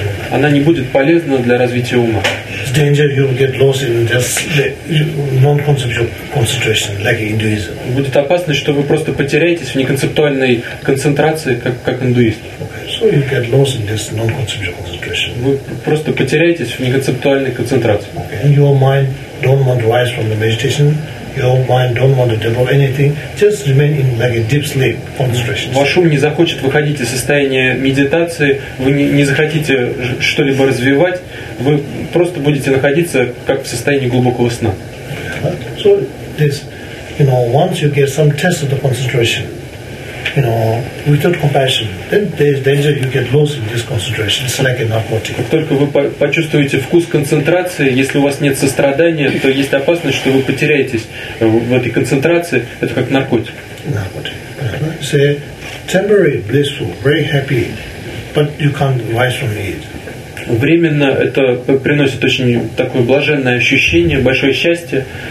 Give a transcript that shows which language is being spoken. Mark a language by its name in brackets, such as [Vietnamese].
[Russian] Она не будет полезна для развития ума. Будет опасность, что вы просто потеряетесь в неконцептуальной концентрации, как индуист. [English] Okay. So you get lost in this non-conceptual concentration. [Russian] Вы просто потеряетесь в неконцептуальной концентрации. [English] Okay. And your mind don't want to rise from the meditation. Your mind don't want to develop anything. Just remain in like a deep sleep concentration. [Russian] Ваш ум не захочет выходить из состояния медитации. Вы не захотите что-либо развивать. Вы просто будете находиться как в состоянии глубокого сна. [English] So this, you know, once you get some test of the concentration, you know, without compassion, then there's danger you get lost in this concentration. It's like a narcotic. [Russian] Как только вы почувствуете вкус концентрации, если у вас нет сострадания, то есть опасность, что вы потеряетесь в этой концентрации. Это как наркотик. Наркотик. [English] Say temporary blissful, very happy, but you can't rise from it. [Russian] Временно это приносит очень такое блаженное ощущение, большое счастье.